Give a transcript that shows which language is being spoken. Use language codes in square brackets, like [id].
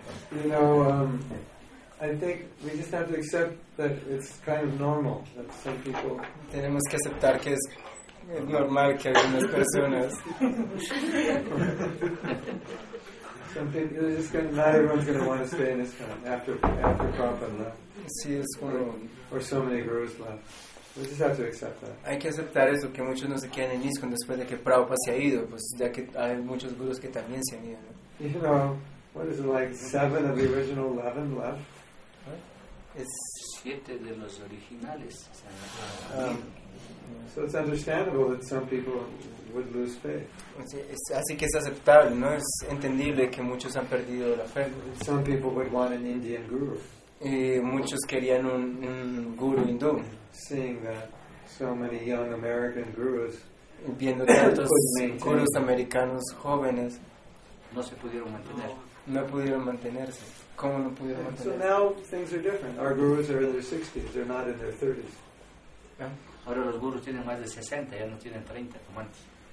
[en] You know, I think we just have to accept that it's kind of normal that some people. [es] Tenemos que aceptar que es. Es normal que algunas personas. [en] Something is just gonna, not everyone's going to want to stay in this town after Prabhupada left. [es] Sí, es como, [en] or so many gurus left. We just have to accept that. [es] Hay que aceptar eso, que muchos no se quedan en ISKCON después de que Prabhupada se ha ido, pues ya que hay muchos gurus que también se han ido. [en] You know, what is it like? 7 of the original 11 left. [es] Es 7 de los originales. [en] So it's understandable that some people would lose faith. [es] Así que es aceptable, ¿no? Es entendible que muchos han perdido la fe. [en] Some people would want an Indian guru. [es] Y muchos querían un guru hindú. [en] Seeing that so many young American gurus, [es] viendo tantos gurus americanos jóvenes, no se pudieron mantener. No pudieron mantenerse. ¿Cómo no pudieron mantenerse? [en] So now things are different. Our gurus are in their 60s, they're not in their 30s. [es] Ahora los gurus tienen más de 60, ya no tienen 30 como antes.